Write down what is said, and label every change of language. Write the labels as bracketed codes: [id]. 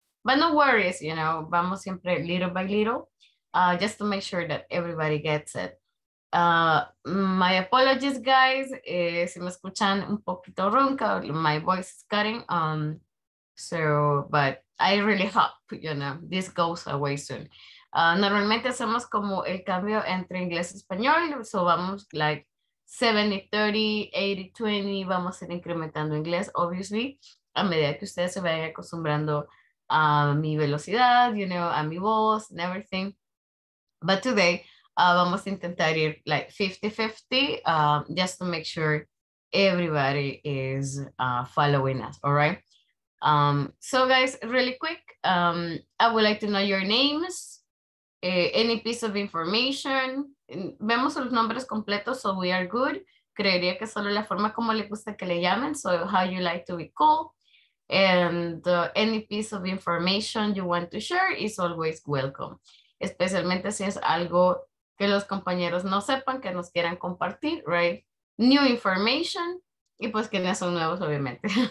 [en] But no worries, you know. [es] Vamos siempre [en] little by little, just to make sure that everybody gets it. My apologies, guys. [es] Si me escuchan un poquito ronca, [en] my voice is cutting. But I really hope, you know, this goes away soon. [es] Normalmente hacemos como el cambio entre inglés y español. [en] So [es] vamos [en] like 70-30, 80-20. [es] Vamos a ir incrementando inglés, obviously, a medida que ustedes se vayan acostumbrando a mi velocidad, [en] you know, [es] a mi voz [en] and everything. But today, [es] vamos a intentar ir [en] like 50-50, just to make sure everybody is following us, all right? So guys, really quick, I would like to know your names, any piece of information. [es] Vemos los nombres completos, [en] so we are good. [es] Creería que solo la forma como le gusta que le llamen, [en] so how you like to be called. And any piece of information you want to share is always welcome. [es] Especialmente si es algo que los compañeros no sepan, que nos quieran compartir, right? [en] New information, [es] y pues quienes son nuevos, obviamente.